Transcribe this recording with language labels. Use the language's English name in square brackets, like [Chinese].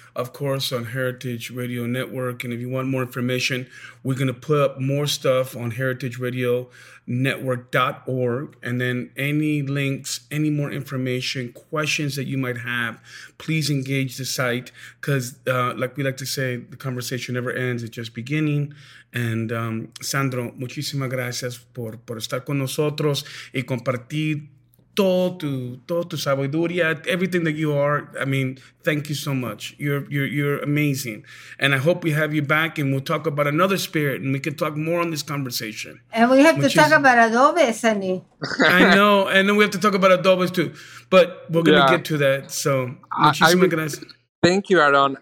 [English] of course, on Heritage Radio Network. And if you want more information, we're going to put up more stuff on heritageradionetwork.org. And then any links, any more information, questions that you might have, please engage the site. Because like we like to say, the conversation never ends. It's just beginning. And Sandro, [Spanish] muchísimas gracias por estar con nosotros y compartir todo tu sabiduría, [English] everything that you are. I mean, thank you so much. You're amazing. And I hope we have you back and we'll talk about another spirit and we can talk more on this conversation. And we have to talk about adobe, Sandy. I know. And then we have to talk about adobes too. But we're going to get to that. So, [Spanish] muchísimas gracias. [English] Thank you, Aaron.